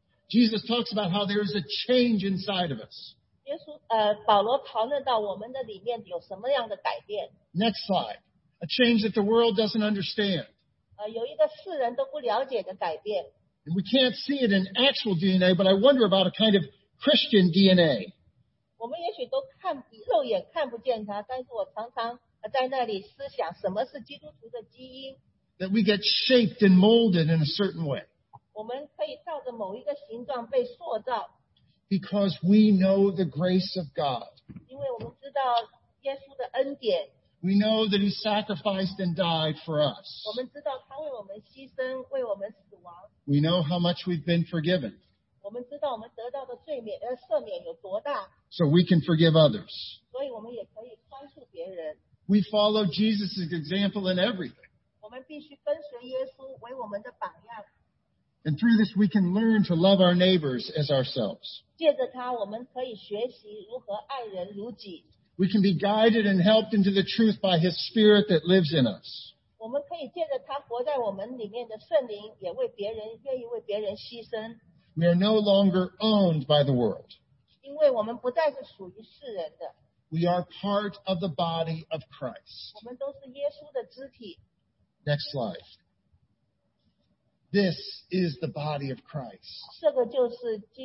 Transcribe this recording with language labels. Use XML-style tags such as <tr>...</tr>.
<en>Jesus talks about how there is a change inside of us.</en> <zh>耶稣,保罗讨论到我们的里面有什么样的改变?</zh> <en>Next slide. A change that the world doesn't understand. And we can't see it in actual DNA, but I wonder about a kind of Christian DNA.</en> <zh>我们也许都看,肉眼看不见它,但是我常常在那里思想什么是基督徒的基因。</zh> <en>That we get shaped and molded in a certain way.</en> <zh>我们可以照着某一个形状被塑造。</zh> <en>Because we know the grace of God.</en> <zh>因为我们知道耶稣的恩典。</zh> <en>We know that he sacrificed and died for us.</en> <zh>我们知道他为我们牺牲,为我们死亡。</zh> <en>We know how much we've been forgiven.</en> <zh>我们知道我们得到的赦免有多大。</zh> <en>So we can forgive others.</en> <zh>所以我们也可以宽恕别人。</zh> <en>We follow Jesus' example in everything.</en> <zh>我们必须跟随耶稣为我们的榜样。</zh> <en>And through this we can learn to love our neighbors as ourselves.</en> <zh>借着他我们可以学习如何爱人如己。</zh> <en>We can be guided and helped into the truth by his spirit that lives in us.</en> <zh>我们可以借着他活在我们里面的圣灵也为别人愿意为别人牺牲。</zh> <en>We are no longer owned by the world. We are part of the body of Christ. Next slide. This is the body of Christ.</en>